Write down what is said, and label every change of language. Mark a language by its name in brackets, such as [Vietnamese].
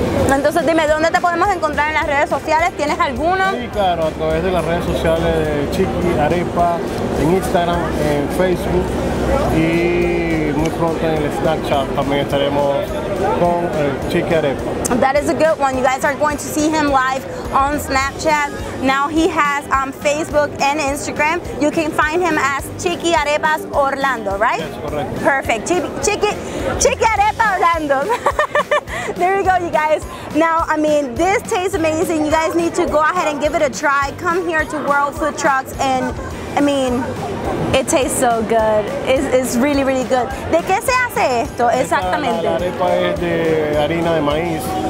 [Spanish] Entonces dime, ¿dónde te podemos encontrar en las redes sociales? ¿Tienes alguno? Sí, claro, a través de las redes sociales de Chiqui Arepa, en Instagram, en Facebook, y muy pronto en el Snapchat también estaremos con Chiqui Arepa. [English] That is a good one. You guys are going to see him live on Snapchat. Now he has Facebook and Instagram. You can find him as Chiqui Arepas Orlando, right? Yes, correct. Perfect. Chiqui Arepa Orlando. There you go, you guys. Now, I mean, this tastes amazing. You guys need to go ahead and give it a try. Come here to World Food Trucks and I mean, it tastes so good. It's really, really good. [Spanish] ¿De qué se hace esto exactamente? La arepa es de harina de maíz.